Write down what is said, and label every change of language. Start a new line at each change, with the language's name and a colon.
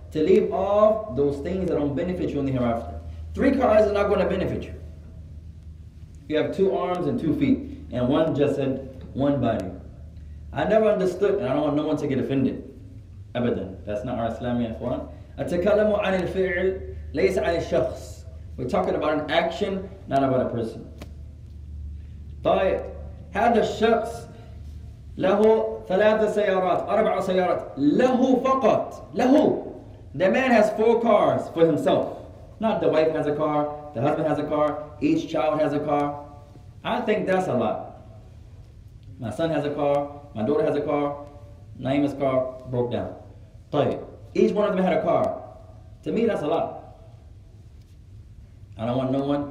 English: To leave off those things that don't benefit you in the hereafter. 3 cars are not going to benefit you. You have 2 arms and 2 feet, and one just said, one body. I never understood, and I don't want no one to get offended. Abadan. That's not our Islami Ikhwan.
Arabic: أتكلم عن الفعل ليس عن الشخص.
English: We're talking about an action, not about a person.
Arabic: طيب. هذا الشخص له ثلاث سيارات أربع سيارات له فقط له.
English: The man has 4 cars for himself. Not the wife has a car, the husband has a car, each child has a car. I think that's a lot. My son has a car, my daughter has a car, Naima's car broke down.
Arabic: طيب.
English: Each one of them had a car. To me, that's a lot. I don't want no one.